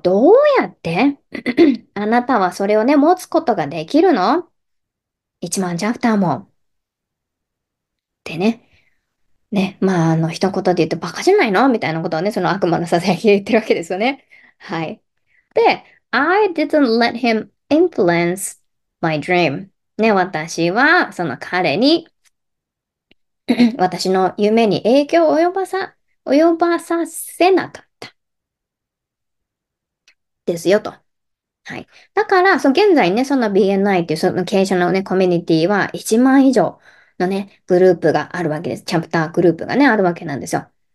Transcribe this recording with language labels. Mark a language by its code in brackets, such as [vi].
[ja] どうやってあなたはそれをね、持つことができるの？1 万チャプターも。ってね。ね。まあ、一言で言うとバカじゃないのみたいなことをね、その悪魔のささやきで言ってるわけですよね。はい。 [en] で、I didn't let him influence my dream。 [ja] ね、私は、その彼に、私の夢に影響を及ばさせなかった。ですよと。はい。だから、現在ね、その BNI っていうその経営者のね、コミュニティは1万以上のね、グループがあるわけです。チャプターグループがね、あるわけなんですよ。